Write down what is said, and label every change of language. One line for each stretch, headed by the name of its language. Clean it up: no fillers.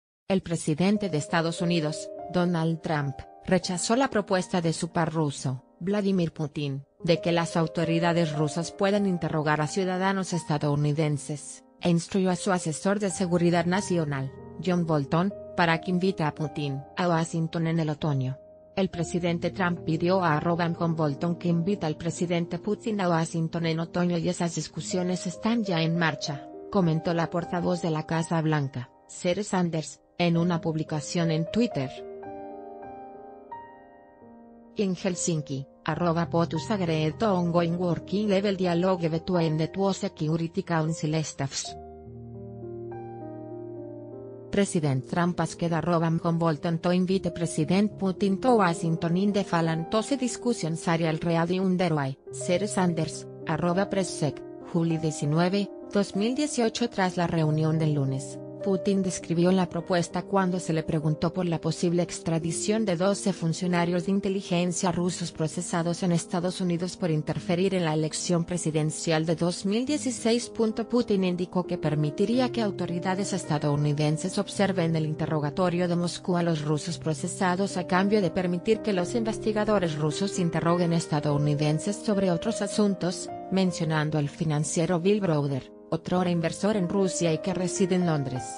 Spanish: El presidente de Estados Unidos, Donald Trump, rechazó la propuesta de su par ruso, Vladimir Putin, de que las autoridades rusas puedan interrogar a ciudadanos estadounidenses, e instruyó a su asesor de seguridad nacional, John Bolton, para que invite a Putin a Washington en el otoño. El presidente Trump pidió a John Bolton que invite al presidente Putin a Washington en otoño y esas discusiones están ya en marcha, comentó la portavoz de la Casa Blanca, Sarah Sanders, en una publicación en Twitter.
English: In Helsinki, @potus agreed ongoing working level dialogue between the two Security Council staffs. President Trump asked John Bolton to invite President Putin to Washington in the fall and to discussion area already underway, Sarah Sanders, @presssec, July 19, 2018.
Spanish: Tras la reunión del lunes, Putin describió la propuesta cuando se le preguntó por la posible extradición de 12 funcionarios de inteligencia rusos procesados en Estados Unidos por interferir en la elección presidencial de 2016. Putin indicó que permitiría que autoridades estadounidenses observen el interrogatorio de Moscú a los rusos procesados a cambio de permitir que los investigadores rusos interroguen estadounidenses sobre otros asuntos, mencionando al financiero Bill Browder, otrora inversor en Rusia y que reside en Londres.